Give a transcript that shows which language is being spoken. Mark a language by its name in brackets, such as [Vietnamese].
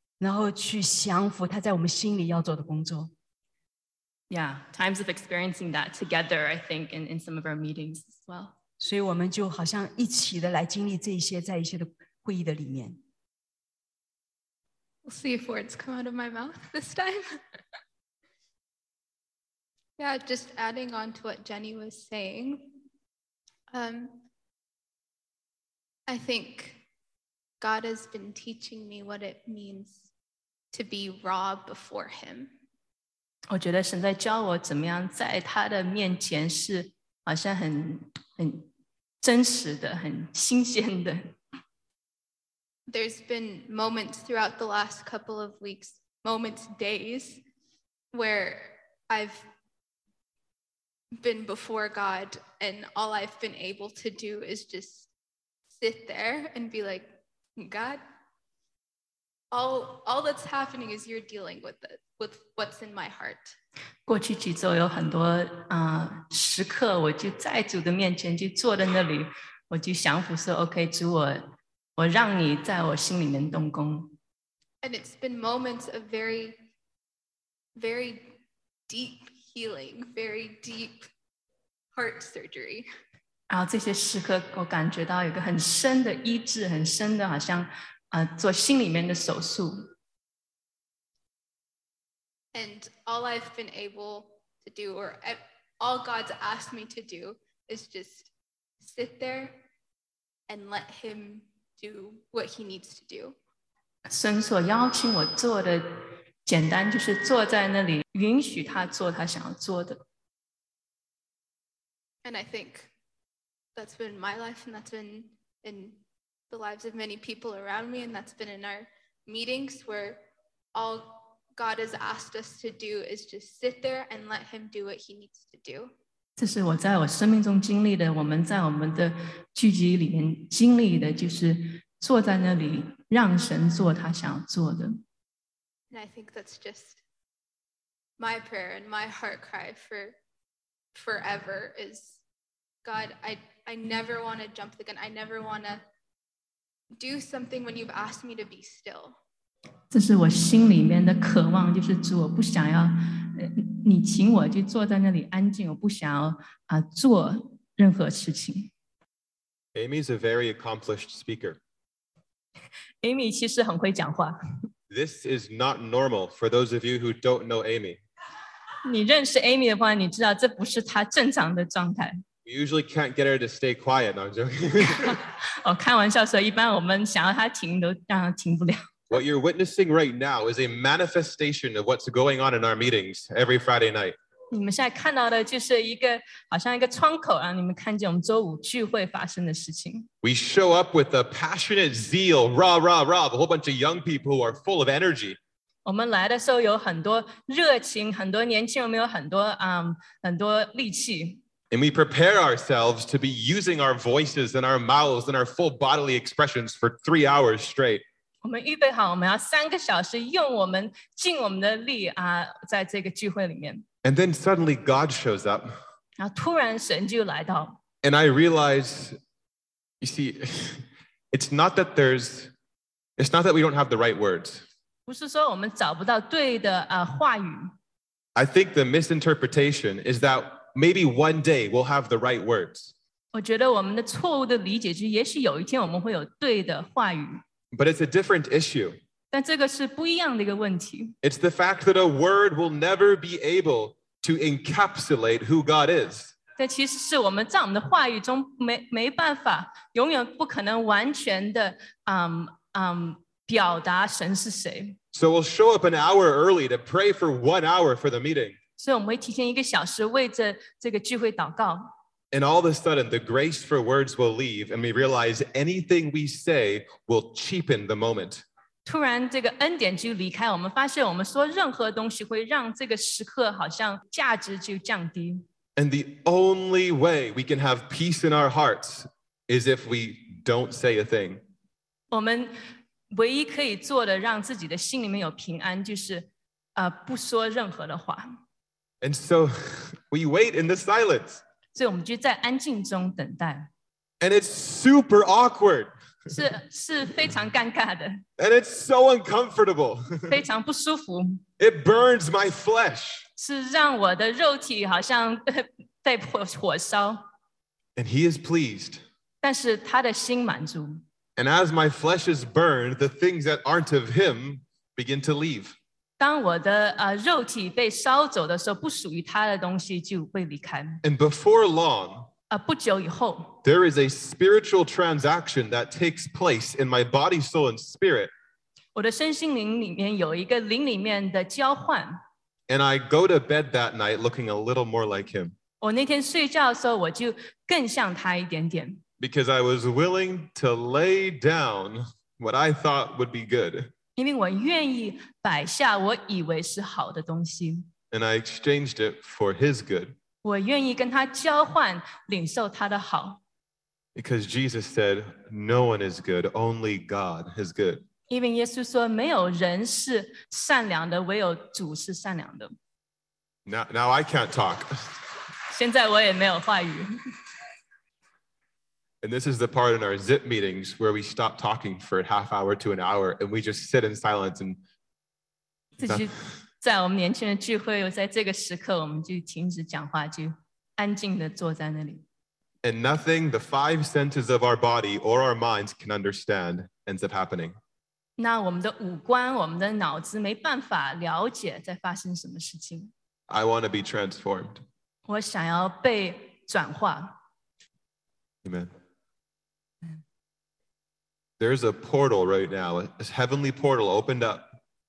[Chinese] 然后去降服他在我们心里要做的工作。 [English] Yeah, times of experiencing that together, I think, in some of our meetings as well. [Chinese] 所以我们就好像一起的来经历这些在一些的会议的里面。 [English] We'll see if words come out of my mouth this time. Yeah, just adding on to what Jenny was saying. I think God has been teaching me what it means to be raw before him. [Chinese] 我觉得神在教我怎么样在他的面前是好像很真实的，很新鲜的。 [English] There's been moments throughout the last couple of weeks, moments, days, where I've been before God and all I've been able to do is justsit there and be like, God, all that's happening is you're dealing with it, with what's in my heart. [Chinese] 过去几周有很多时刻我就在主的面前就坐在那里我就降服说 OK, 主我让你在我心里面动工。 [English] And it's been moments of very very deep healing, very deep heart surgery. [Chinese] 然后这些时刻我感觉到有个很深的医治，很深的好像做心里面的手术。 [English] And all I've been able to do, or all God's asked me to do, is just sit there and let him do what he needs to do. [Chinese] 神所邀请我做的简单就是坐在那里允许他做他想要做的。 [English] And I think that's been my life, and that's been in the lives of many people around me, and that's been in our meetings where all God has asked us to do is just sit there and let him do what he needs to do. [Chinese] 这是我在我生命中经历的，我们在我们的聚集里面经历的，就是坐在那里让神做他想做的。 [English] And I think that's just my prayer and my heart cry for forever is, God, I never want to jump the gun. I never want to do something when you've asked me to be still. [Chinese] 这是我心里面的渴望，就是主，我不想要你请我就坐在那里安静，我不想要做任何事情。 [English] Amy is a very accomplished speaker. [Chinese] Amy 其实很会讲话。 [English] This is not normal for those of you who don't know Amy. [Chinese] 你认识 Amy 的话，你知道这不是她正常的状态。 [English] We usually can't get her to stay quiet. No, I'm joking. [Chinese] 哦，开玩笑说，一般我们想要她停都让她停不了。 [English] What you're witnessing right now is a manifestation of what's going on in our meetings every Friday night. [Chinese] 你们现在看到的就是一个好像一个窗口，让你们看见我们周五聚会发生的事情。 [English] We show up with a passionate zeal, rah rah rah, a whole bunch of young people who are full of energy. [Chinese] 我们来的时候有很多热情，很多年轻人，有很多很多力气。 [English] And we prepare ourselves to be using our voices and our mouths and our full bodily expressions for 3 hours straight. [Chinese] 我们预备好，我们要三个小时用我们尽我们的力啊，在这个聚会里面。 [English] And then suddenly God shows up. [Chinese] 然后突然神就来到。 [English] And I realize, you see, it's not that we don't have the right words. [Chinese] 不是说我们找不到对的话语。 [English] I think the misinterpretation is that maybe one day we'll have the right words. [Chinese] 我觉得我们的错误的理解是，也许有一天我们会有对的话语。 [English] But it's a different issue. [Chinese] 但这个是不一样的一个问题。 [English] It's the fact that a word will never be able to encapsulate who God is. [Chinese] 但其实是我们在我们的话语中没办法，永远不可能完全的表达神是谁。 [English] So we'll show up an hour early to pray for 1 hour for the meeting. [Chinese] 所以我们会提前一个小时为着这个聚会祷告。 [English] And all of a sudden, the grace for words will leave, and we realize anything we say will cheapen the moment. [Chinese] 突然这个恩典就离开，我们发现我们说任何东西会让这个时刻好像价值就降低。 [English] And the only way we can have peace in our hearts is if we don't say a thing. [Chinese] 我们唯一可以做的让自己的心里面有平安，就是不说任何的话。 [English] And so we wait in the silence. [Chinese] 所以我们就在安静中等待。 [English] And it's super awkward. [Chinese] 是非常尴尬的。 [English] And it's so uncomfortable. [Chinese] 非常不舒服。 [English] It burns my flesh. [Chinese] 是让我的肉体好像被火烧。 [English] And he is pleased. [Chinese] 但是他的心满足。 [English] And as my flesh is burned, the things that aren't of him begin to leave. [Chinese] 当我的肉体被烧走的时候，不属于他的东西就会离开。 [English] And before long, [Chinese] 不久以后， [English] there is a spiritual transaction that takes place in my body, soul, and spirit. [Chinese] 我的身心灵里面有一个灵里面的交换。 [English] And I go to bed that night looking a little more like him. [Chinese] 我那天睡觉的时候，我就更像他一点点。 [English] Because I was willing to lay down what I thought would be good. [Chinese] 因为我愿意摆下我以为是好的东西。 [English] And I exchanged it for his good. [Chinese] 我愿意跟他交换，领受他的好。 [English] Because Jesus said, no one is good, only God is good. [Chinese] 因为耶稣说，没有人是善良的，唯有主是善良的。 [English] Now I can't talk. [Chinese] 现在我也没有话语。 [English] And this is the part in our zip meetings where we stop talking for a half hour to an hour and we just sit in silence and [Chinese] 在我们年轻人聚会，在这个时刻，我们就停止讲话，就安静地坐在那里。 [English] And nothing the five senses of our body or our minds can understand ends up happening. [Chinese] 那我们的五官，我们的脑子没办法了解在发生什么事情。 [English] I want to be transformed. [Chinese] 我想要被转化。 [English] Amen. There's a portal right now, a heavenly portal opened up.